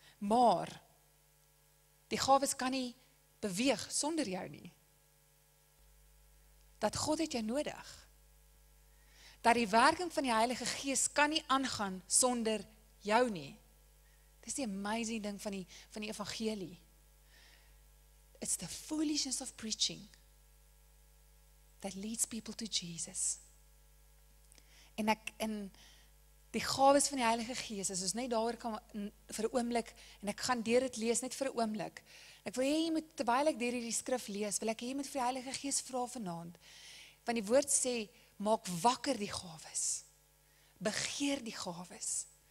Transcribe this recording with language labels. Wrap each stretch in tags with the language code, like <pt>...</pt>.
<af>Maar, die gawes kan nie beweeg sonder jou nie. Dat God het jou nodig. Dat die werking van die Heilige Gees kan nie aangaan sonder jou nie. Dit is die amazing ding van die evangelie.</af> <en>It's the foolishness of preaching that leads people to Jesus.</en> <af>En ek, en die gawes van die Heilige Gees, as ons net daaroor kan vir 'n oomblik, en ek gaan deur dit lees net vir 'n oomblik. Ek wil hê jy moet, terwyl ek deur hierdie skrif lees, wil ek hê jy moet vir die Heilige Gees vra vanaand. Want die woord sê, maak wakker die gawes. Begeer die gawes.</af>